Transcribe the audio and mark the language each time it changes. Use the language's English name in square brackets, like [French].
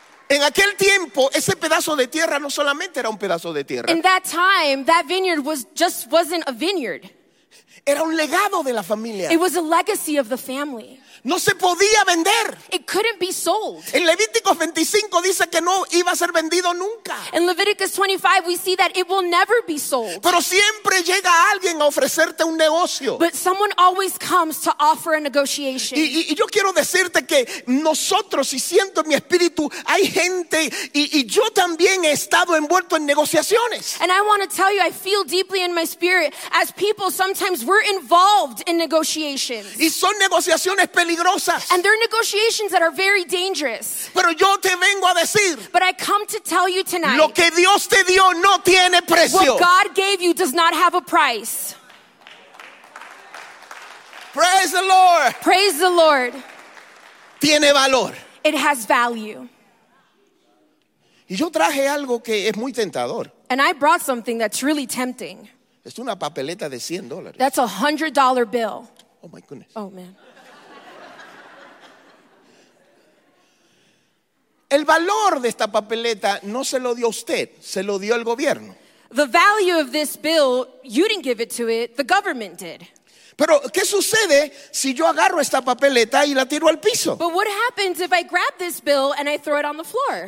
[Spanish] En aquel tiempo, ese pedazo de tierra no solamente era un pedazo de tierra. [English] In that time, that vineyard wasn't a vineyard. [Spanish] Era un legado de la familia. [English] It was a legacy of the family. [Spanish] No se podía vender. [English] It couldn't be sold. [Spanish] En Levítico 25 dice que no iba a ser vendido nunca. [English] In Leviticus 25 we see that it will never be sold. [Spanish] Pero siempre llega alguien a ofrecerte un negocio. [English] But someone always comes to offer a negotiation. [Spanish] Y yo quiero decirte que nosotros, y siento en mi espíritu, hay gente y yo también he estado envuelto en negociaciones. [English] And I want to tell you, I feel deeply in my spirit as people sometimes we're involved in negotiations. [Spanish] Y son negociaciones peligrosas. peligrosas. [English] And they're negotiations that are very dangerous. [Spanish] Pero yo te vengo a decir, [English] but I come to tell you tonight, [Spanish] lo que Dios te dio no tiene precio. [English] What God gave you does not have a price. Praise the Lord. Praise the Lord. [Spanish] Tiene valor. [English] It has value. [Spanish] Y yo traje algo que es muy tentador. [English] And I brought something that's really tempting. [Spanish] Es una papeleta de $100. [English] That's a $100 bill. Oh my goodness. Oh man. [Spanish] El valor de esta papeleta no se lo dio usted, se lo dio el gobierno. [English] The value of this bill, you didn't give it to it, the government did. [Spanish] Pero ¿qué sucede si yo agarro esta papeleta y la tiro al piso? [English] But what happens if I grab this bill and I throw it on the floor?